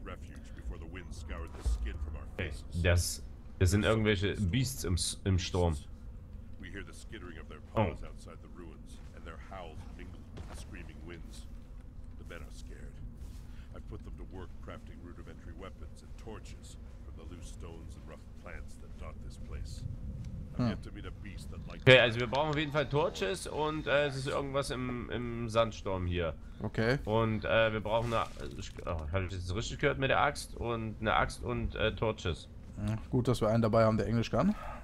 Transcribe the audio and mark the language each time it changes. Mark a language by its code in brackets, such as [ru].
[en] refuge before the wind scoured the skin from our faces. [de] Das sind irgendwelche Beasts im Sturm. [en] We hear the skittering of their paws outside the ruins and their howls mingled with the screaming winds. The men are scared. I put them to work crafting rudimentary weapons and torches from the loose stones and rough plants that dot this place. [de] Okay, also wir brauchen auf jeden Fall Torches und es ist irgendwas im Sandsturm hier. Okay. Und wir brauchen habe ich das richtig gehört mit der Axt? Und eine Axt und Torches. Ja, gut, dass wir einen dabei haben, der Englisch kann.